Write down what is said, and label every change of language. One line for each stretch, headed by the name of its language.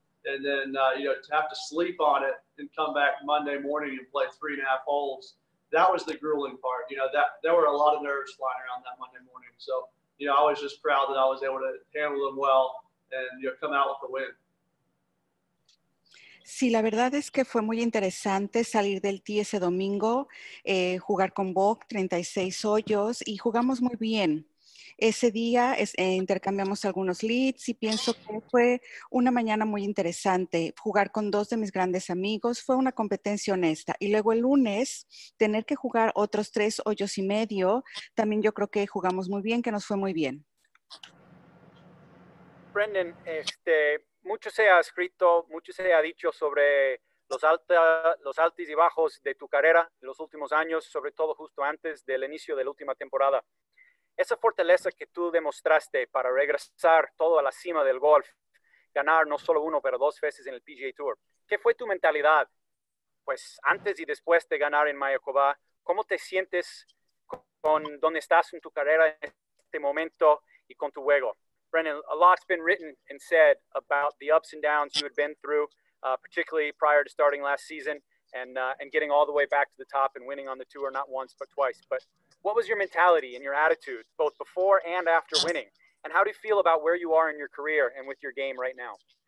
English: And then, you know, to have to sleep on it and come back Monday morning and play 3.5 holes, that was the grueling part. You know, that there were a lot of nerves flying around that Monday morning. So, you know, I was just proud that I was able to handle them well and you'll come out with the win.
Spanish: Sí, la verdad es que fue muy interesante salir del tee ese domingo, jugar con Bock 36 hoyos y jugamos muy bien. Ese día intercambiamos algunos leads y pienso que fue una mañana muy interesante jugar con dos de mis grandes amigos. Fue una competencia honesta. Y luego el lunes, tener que jugar otros 3.5 hoyos, también yo creo que jugamos muy bien, que nos fue muy bien. Brendan, mucho se ha escrito, mucho se ha dicho sobre los altos y bajos de tu carrera en los últimos años, sobre todo justo antes del inicio de la última temporada. Esa fortaleza que tú demostraste para regresar todo a la cima del golf, ganar no solo uno, pero dos veces en el PGA Tour. ¿Qué fue tu mentalidad? Pues antes y después de ganar en Mayakoba, ¿cómo te sientes con dónde estás en tu carrera en este momento y con tu juego?
English: Brendan, a lot's been written and said about the ups and downs you had been through, particularly prior to starting last season and getting all the way back to the top and winning on the tour, not once, but twice. But what was your mentality and your attitude, both before and after winning? And how do you feel about where you are in your career and with your game right now?